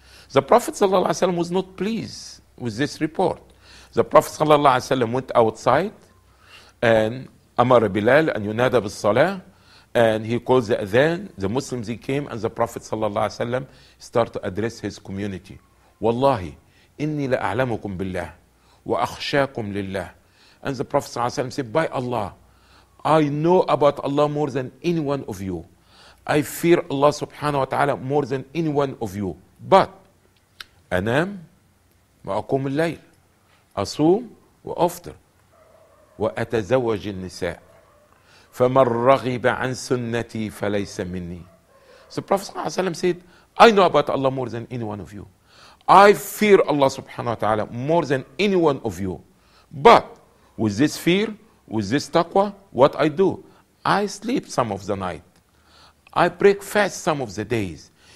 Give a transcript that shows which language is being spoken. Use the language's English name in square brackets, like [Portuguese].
[English] The Prophet صلى الله عليه وسلم was not pleased with this report. The Prophet صلى الله عليه وسلم went outside and [Arabic] أمر بلال أن ينادى بالصلاة, [English] and he called the adhan. The Muslims, he came, and the Prophet صلى الله عليه وسلم started to address his community. [Arabic] Wallahi, إني لأعلمكم بالله وأخشاكم لله. [English] And the Prophet صلى الله عليه وسلم said, by Allah, I know about Allah more than anyone of you. I fear Allah subhanahu wa ta'ala more than anyone of you. But [Arabic] أنام وأقوم الليل, أصوم وأفطر, وأتزوج النساء, فمن رغب عن سنتي فليس مني. [English] So Prophet صلى الله عليه وسلم said, I know about Allah more than anyone of you. I fear Allah subhanahu wa ta'ala more than anyone of you. But with this fear, with this taqwa, what I do? I sleep some of the night. I break fast some of the days.